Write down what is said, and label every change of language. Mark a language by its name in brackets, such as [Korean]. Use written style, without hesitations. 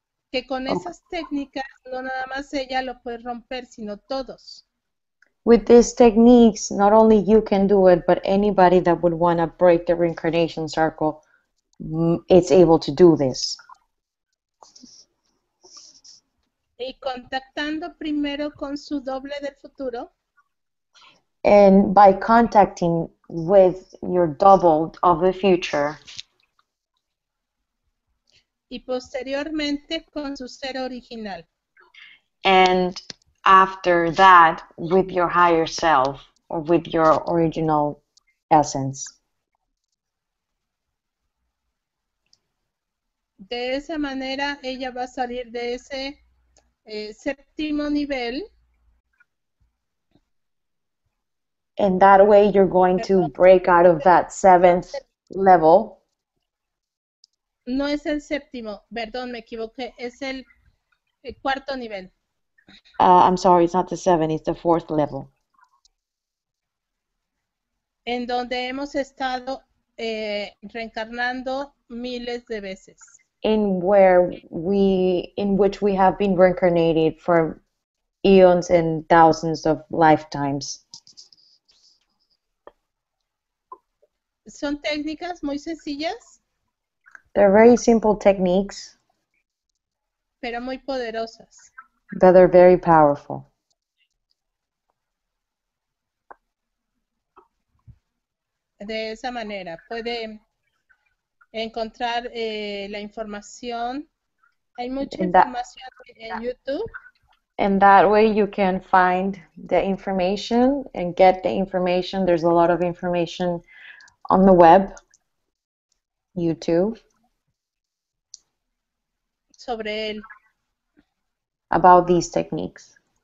[Spanish] Que con esas técnicas no nada más ella lo puede romper, sino todos. [English] With these techniques, not only you can do it, but anybody that would want to break the reincarnation circle, it's able to do this. [Spanish] Y contactando primero con su doble del futuro. [English] And by contacting with your double of the future. [Spanish] Y posteriormente con su ser original. [English] And after that, with your higher self or with your original essence. [Spanish] De esa manera, ella va a salir de ese séptimo nivel. [English] In that way, you're going to break out of that seventh level. [Spanish] No es el séptimo, perdón, me equivoqué, es el cuarto nivel. [English] I'm sorry, it's not the seven, it's the fourth level. [Spanish] En donde hemos estado reencarnando miles de veces. [English] In which we have been reincarnated for eons and thousands of lifetimes. [Spanish] Son técnicas muy sencillas. [English] They're very simple techniques. [Spanish] Pero muy poderosas. [English] That are very powerful. [Spanish] De esa manera puede encontrar la información. Hay mucha información en YouTube. [English] And that way you can find the information and get the information. There's a lot of information on the web, YouTube. [Spanish] Sobre él. [English] About these techniques.